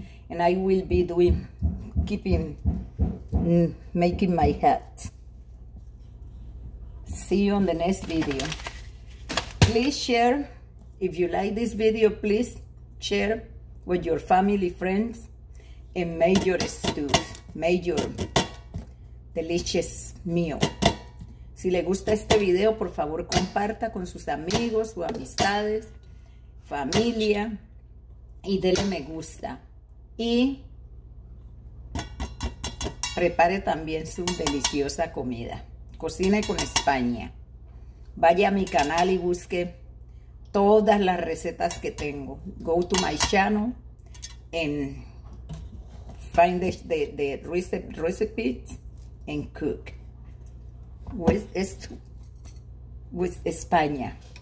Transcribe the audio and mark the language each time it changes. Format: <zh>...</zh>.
<en>And I will be doing, keeping, making my hat. See you on the next video. please share. If you like this video, please share with your family, friends, and make your stew, make your delicious meal.</en> <es>Si le gusta este video, por favor, comparta con sus amigos o amistades, familia, y dele me gusta. Y prepare también su deliciosa comida. Cocine con España. Vaya a mi canal y busque todas las recetas que tengo.</es> <en>Go to my channel and find the recipes and cook with España.</en>